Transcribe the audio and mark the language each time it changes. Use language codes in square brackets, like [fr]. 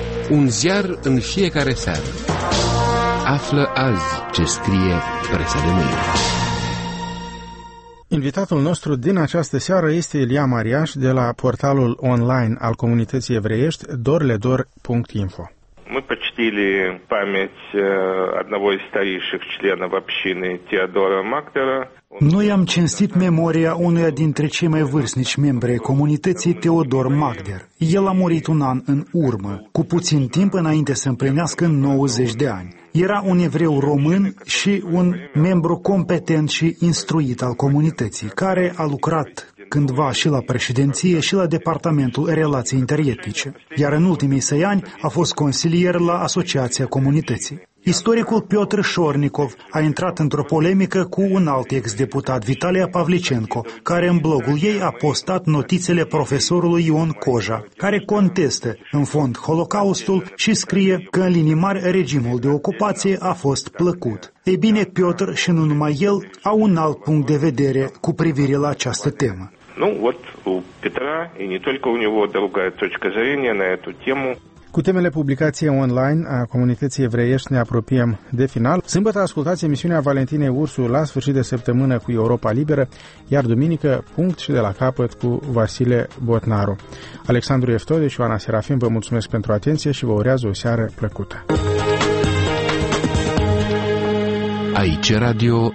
[ro] Un ziar în fiecare seară. Află azi ce scrie presa de mâine. Invitatul nostru din această seară este Ilia Mariaș, de la portalul online al comunității evreiești, dorledor.info. [ru] Мы почтили память одного из старейших членов общины Теодора Мактера. [ro] Noi am cinstit memoria unuia dintre cei mai vârstnici membri ai comunității, Teodor Magder. El a murit un an în urmă, cu puțin timp înainte să împlinească 90 de ani. Era un evreu român și un membru competent și instruit al comunității, care a lucrat cândva și la președinție și la departamentul relații interietnice, iar în ultimii 6 ani a fost consilier la Asociația Comunității. Istoricul Piotr Șornicov a intrat într-o polemică cu un alt ex-deputat, Vitalia Pavlicenko, care în blogul ei a postat notițele profesorului Ion Coja, care contestă, în fond, Holocaustul și scrie că, în linii mari, regimul de ocupație a fost plăcut. Ei bine, Piotr, și nu numai el, au un alt punct de vedere cu privire la această temă. [ru] Ну вот у Петра и не только у него другая точка зрения на эту тему. [ro] Cu temele publicației online a comunității evreiești ne apropiem de final. Sâmbătă ascultați emisiunea Valentinei Ursu la sfârșit de săptămână cu Europa Liberă, iar duminică punct și de la capăt cu Vasile Botnaru. Alexandru Eftode și Ioana Serafin vă mulțumesc pentru atenție și vă urează o seară plăcută. Aici Radio